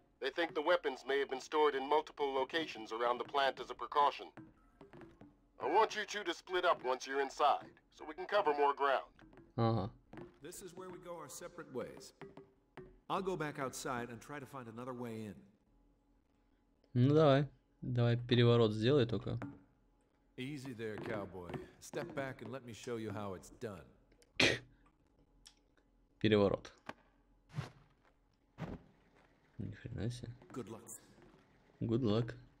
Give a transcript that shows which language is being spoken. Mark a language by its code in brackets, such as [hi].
[en] They think the weapons may have been stored in multiple locations around the plant as a precaution. I want you two to split up once you're inside, so we can cover more ground. Uh-huh. This is where we go our separate ways. I'll go back outside and try to find another way in. [ru] Ну давай. Давай переворот сделай только. [en] Easy there, cowboy. Step back and let me show you how it's done. [ru] Переворот. Нихрена себе. [en] Good luck. Good luck.